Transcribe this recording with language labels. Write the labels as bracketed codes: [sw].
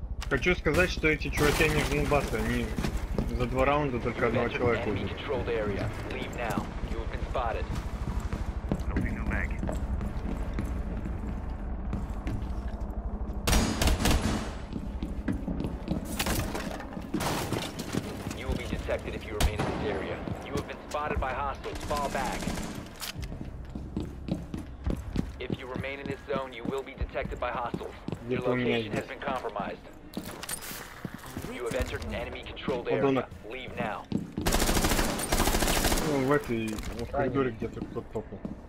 [ru] Хочу сказать, что эти чуваки не жнубасы, они за 2 раунда только одного человека убили. [en] You will be detected if you remain in this area. You have been spotted by hostiles. Fall back. If you remain in this zone, you will be detected by hostiles. Your location has been compromised. You have entered an enemy controlled area. Leave now. [ru] Ну, в этой, в коридоре где-то кто-то попал.